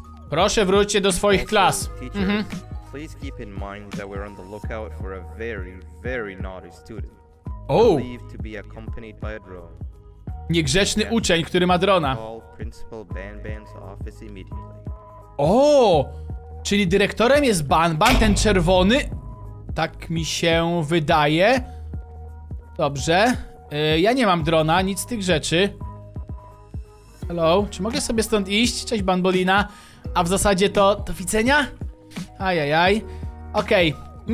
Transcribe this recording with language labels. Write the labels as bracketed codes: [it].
[pl] Proszę wróćcie do swoich klas. [en] Please keep in mind that we're on the lookout for a very, very naughty student. Oh. Believed to be accompanied by a drone. [pl] Niegrzeczny uczeń, który ma drona. [en] Call Principal Banban's office immediately. [pl] Oh, czyli dyrektorem jest Banban, ten czerwony. Tak mi się wydaje. Dobrze. Ja nie mam drona, nic z tych rzeczy. Hello, czy mogę sobie stąd iść? Cześć Banbolina. A w zasadzie to do widzenia? Ajajaj. Okej, okay.